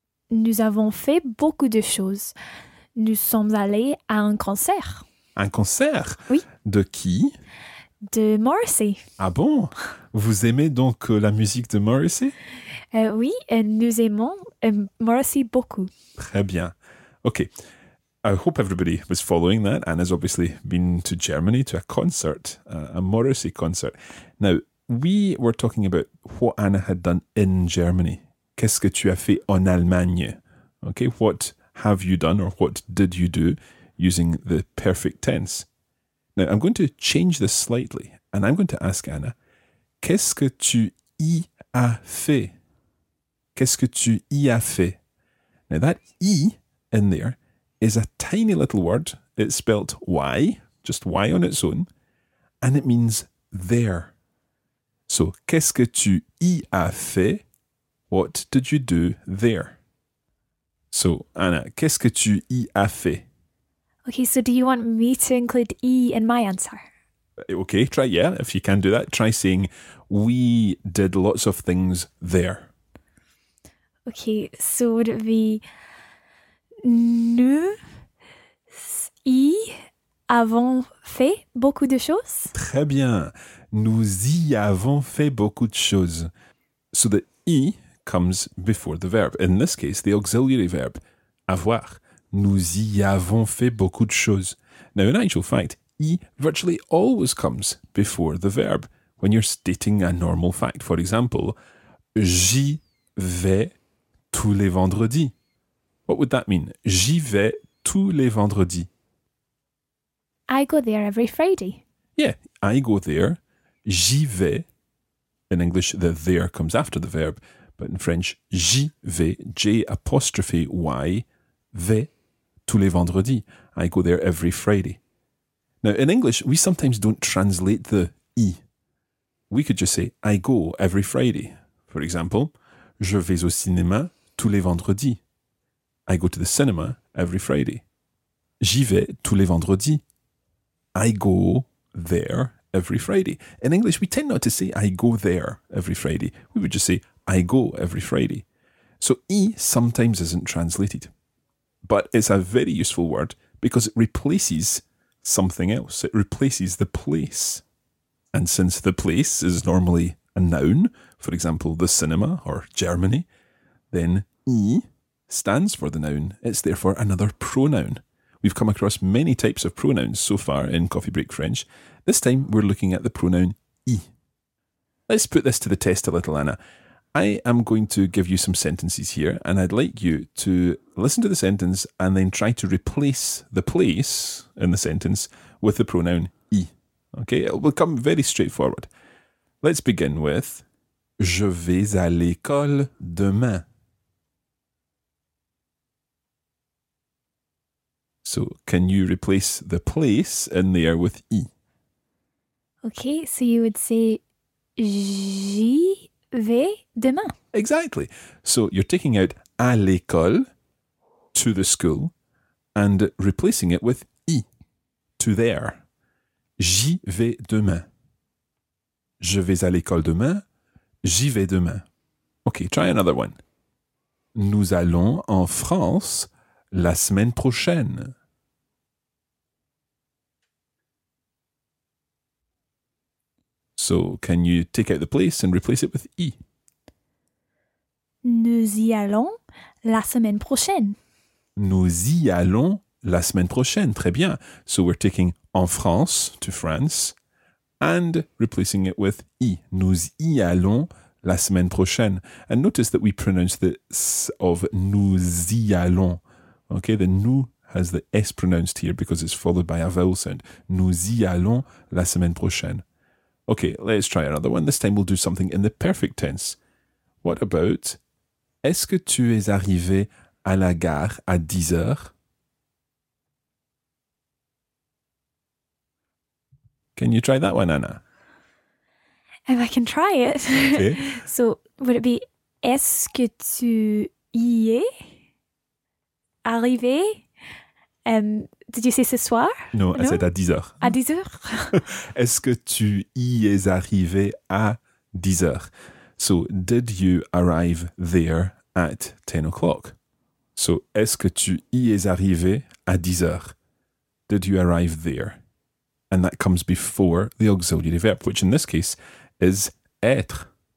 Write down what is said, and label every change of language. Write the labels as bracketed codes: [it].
[fr] Nous avons fait beaucoup de choses. Nous sommes allés à un concert. Un concert? Oui. De qui? De Morrissey. Ah bon? Vous aimez donc la musique de Morrissey? Oui, nous aimons Morrissey beaucoup. Très bien. Ok. [en] I hope everybody was following that. Anna's obviously been to Germany to a concert, a Morrissey concert. Now, we were talking about what Anna had done in Germany. [fr] Qu'est-ce que tu as fait en Allemagne? [en] Ok, what have you done or what did you do using the perfect tense? Now, I'm going to change this slightly and I'm going to ask Anna, [fr] qu'est-ce que tu y as fait? Qu'est-ce que tu y as fait? [en] Now, that y in there is a tiny little word. It's spelt Y, just Y on its own, and it means there. So, [fr] qu'est-ce que tu y as fait? [en] What did you do there? [fr] So, Anna, qu'est-ce que tu y as fait? [en] Okay, so do you want me to include E in my answer? Okay, try, yeah, if you can do that. Try saying, we did lots of things there. Okay, so would it be [fr] nous y avons fait beaucoup de choses? Très bien. Nous y avons fait beaucoup de choses. [en] So the I comes before the verb. In this case, the auxiliary verb, avoir. [fr] Nous y avons fait beaucoup de choses. [en] Now, in actual fact, y virtually always comes before the verb when you're stating a normal fact. For example, [fr] j'y vais tous les vendredis. [en] What would that mean? [fr] J'y vais tous les vendredis. [en] I go there every Friday. Yeah, I go there. [fr] J'y vais. [en] In English, the there comes after the verb. But in French, [fr] j'y vais, j apostrophe y, vais, tous les vendredis. [en] I go there every Friday. Now, in English, we sometimes don't translate the I. We could just say, I go every Friday. For example, [fr] je vais au cinéma tous les vendredis. [en] I go to the cinema every Friday. [fr] J'y vais tous les vendredis. [en] I go there every Friday. In English, we tend not to say, I go there every Friday. We would just say, I go every Friday. So, I sometimes isn't translated. But it's a very useful word because it replaces something else. It replaces the place. And since the place is normally a noun, for example, the cinema or Germany, then I stands for the noun. It's therefore another pronoun. We've come across many types of pronouns so far in Coffee Break French. This time we're looking at the pronoun I. Let's put this to the test a little, Anna. I am going to give you some sentences here, and I'd like you to listen to the sentence and then try to replace the place in the sentence with the pronoun I. Okay, it will come very straightforward. Let's begin with, [fr] je vais à l'école demain. [en] So, can you replace the place in there with I? Okay, so you would say, [fr] j'y vais demain. [en] Exactly. So you're taking out [fr] à l'école, [en] to the school, and replacing it with I, to there. [fr] J'y vais demain. Je vais à l'école demain. J'y vais demain. [en] Okay, try another one. [fr] Nous allons en France la semaine prochaine. [en] So can you take out the place and replace it with I? [fr] Ne nous y allons la semaine prochaine. Nous y allons la semaine prochaine. Très bien. [en] So we're taking [fr] en France [en] to France and replacing it with y. [fr] Nous y allons la semaine prochaine. [en] And notice that we pronounce the s of [fr] nous y allons. [en] Okay, the nous has the s pronounced here because it's followed by a vowel sound. [fr] Nous y allons la semaine prochaine. [en] Okay, let's try another one. This time we'll do something in the perfect tense. What about, [fr] est-ce que tu es arrivé à la gare à 10 heures? [en] Can you try that one, Anna? If I can try it. Okay. So, would it be, [fr] est-ce que tu y es arrivé? [en] Did you say [fr] ce soir? [en] No, I said [fr] à 10 heures. À 10 heures? Est-ce que tu y es arrivé à 10 heures? [en] So, did you arrive there at 10 o'clock? [fr] So, est-ce que tu y es arrivé à 10 heures? [en] Did you arrive there? And that comes before the auxiliary verb, which in this case is être.